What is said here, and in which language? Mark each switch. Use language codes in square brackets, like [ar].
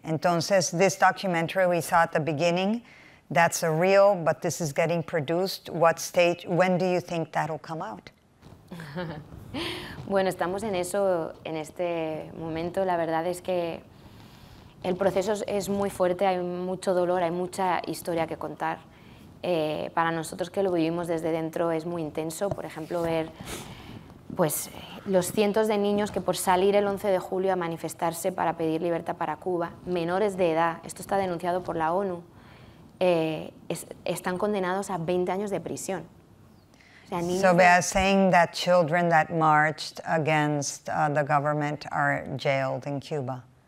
[es] Entonces, [en] this documentary we saw at the beginning, that's a reel, but this is getting produced. What stage, when do you think that'll come out? [es] Bueno, estamos en eso, en este momento. La verdad es que El proceso es muy fuerte, hay mucho dolor, hay mucha historia que contar. Para nosotros que lo vivimos desde dentro es muy intenso, por ejemplo, ver pues, los cientos de niños que por salir el 11 de julio a manifestarse para pedir libertad para Cuba, menores de edad, esto está denunciado por la ONU, están condenados a 20 años de prisión. [en] So by saying that children that marched against the government are jailed in Cuba.